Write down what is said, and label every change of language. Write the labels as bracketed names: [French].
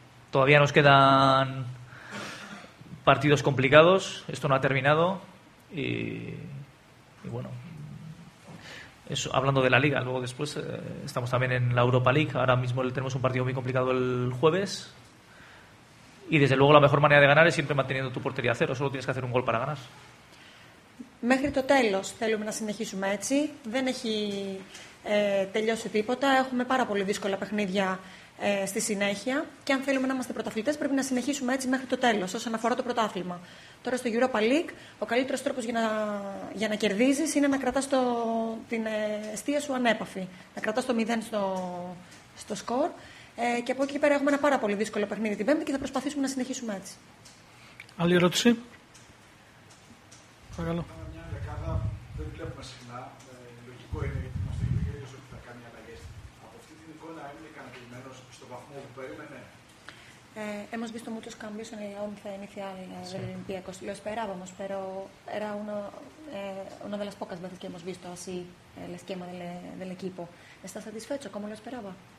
[Spanish] Todavía nos quedan partidos complicados, esto no ha terminado y bueno, eso, hablando de la Liga, luego después estamos también en la Europa League, ahora mismo tenemos un partido muy complicado el jueves y desde luego la mejor manera de ganar es siempre manteniendo tu portería a cero, solo tienes que hacer un gol para ganar. [Greek] Μέχρι το τέλος θέλουμε να συνεχίσουμε έτσι. Δεν έχει τελειώσει τίποτα. Έχουμε πάρα πολύ δύσκολα παιχνίδια στη συνέχεια. Και αν θέλουμε να είμαστε πρωταθλητές, πρέπει να συνεχίσουμε έτσι μέχρι το τέλος, όσον αφορά το πρωτάθλημα. Τώρα στο Europa League, ο καλύτερος τρόπος για να κερδίζεις είναι να κρατάς την εστία σου ανέπαφη. Να κρατάς το 0 στο σκορ. Και από εκεί και πέρα έχουμε ένα πάρα πολύ δύσκολο παιχνίδι την Πέμπτη και θα προσπαθήσουμε να συνεχίσουμε έτσι. Άλλη ερώτηση. Παρακαλώ. Μια δεκάδα δεν βλέπουμε συχνά. Λογικό είναι γιατί είμαστε οι ίδιοι ότι θα κάνει αλλαγές. Από αυτή την εικόνα είναι ικανοποιημένος στον βαθμό που περίμενε. [Spanish] Hemos visto muchos cambios en el once inicial del Olympiacos. Lo esperábamos, pero era una de las pocas veces que hemos visto así el esquema del equipo. ¿Estás satisfecho como lo esperaba?